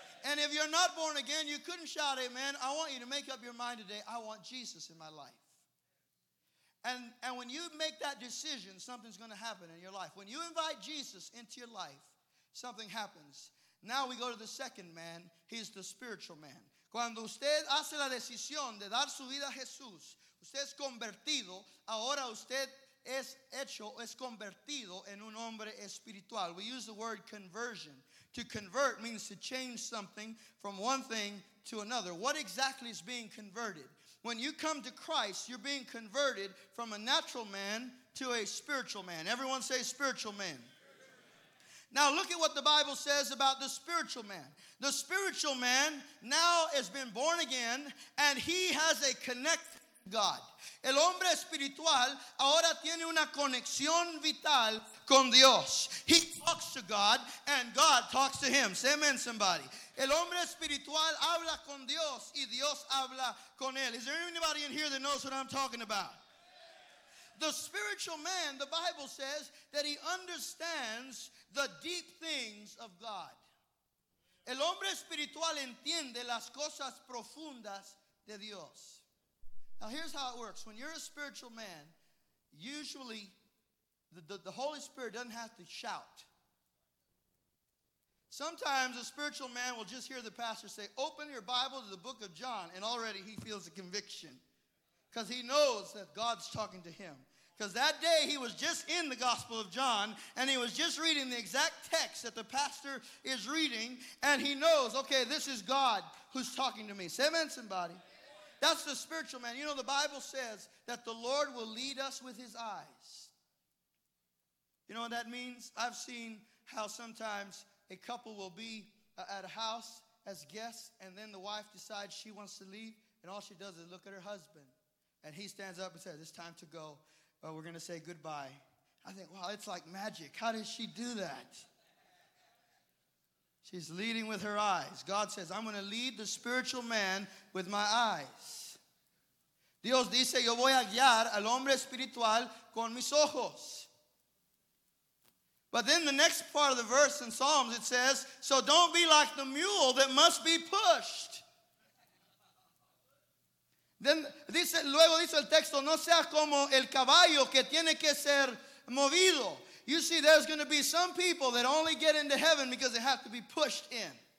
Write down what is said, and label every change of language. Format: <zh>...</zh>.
<en>And if you're not born again, you couldn't shout amen. I want you to make up your mind today. I want Jesus in my life. And when you make that decision, something's going to happen in your life. When you invite Jesus into your life, something happens. Now we go to the second man. He's the spiritual man.</en> <es>Cuando usted hace la decisión de dar su vida a Jesús, usted es convertido, ahora usted es hecho, es convertido en un hombre espiritual.</es> <en>We use the word conversion. To convert means to change something from one thing to another. What exactly is being converted? When you come to Christ, you're being converted from a natural man to a spiritual man. Everyone say spiritual man. Now look at what the Bible says about the spiritual man. The spiritual man now has been born again and he has a connection to God.</en> <es>El hombre espiritual ahora tiene una conexión vital con Dios.</es> <en>He talks to God and God talks to him. Say amen, somebody.</en> <es>El hombre espiritual habla con Dios y Dios habla con él.</es> <en>Is there anybody in here that knows what I'm talking about? The spiritual man, the Bible says, that he understands the deep things of God.</en> <es>El hombre espiritual entiende las cosas profundas de Dios.</es> <en>Now here's how it works. When you're a spiritual man, usually the Holy Spirit doesn't have to shout. Sometimes a spiritual man will just hear the pastor say, open your Bible to the book of John, and already he feels a conviction because he knows that God's talking to him. Because that day he was just in the Gospel of John and he was just reading the exact text that the pastor is reading and he knows, okay, this is God who's talking to me. Say amen, somebody. That's the spiritual man. You know, the Bible says that the Lord will lead us with his eyes. You know what that means? I've seen how sometimes a couple will be at a house as guests and then the wife decides she wants to leave and all she does is look at her husband and he stands up and says, it's time to go. Well, we're going to say goodbye. I think, wow, it's like magic. How does she do that? She's leading with her eyes. God says, I'm going to lead the spiritual man with my eyes.</en> <es>Dios dice, yo voy a guiar al hombre espiritual con mis ojos.</es> <en>But then the next part of the verse in Psalms, it says, so don't be like the mule that must be pushed.</en> <es>Then, dice, luego dice el texto, no sea como el caballo que tiene que ser movido.</es> <en>You see, there's going to be some people that only get into heaven because they have to be pushed in.</en>